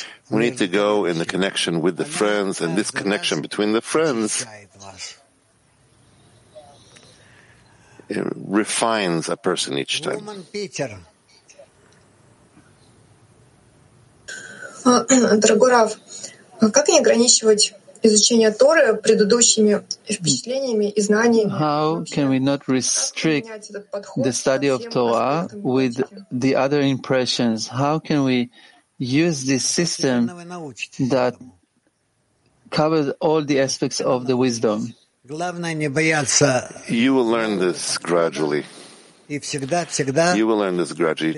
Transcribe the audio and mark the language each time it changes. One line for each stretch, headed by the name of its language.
English: We need to go in the connection with the friends, and this connection between the friends refines a person each time.
Russian: Дорогой Рав, как не ограничивать изучение Торы предыдущими впечатлениями и знаниями?
English: How can we not restrict the study of Torah with the other impressions? How can we use this system that covers all the aspects of the wisdom? You will learn this gradually. You will learn this gradually.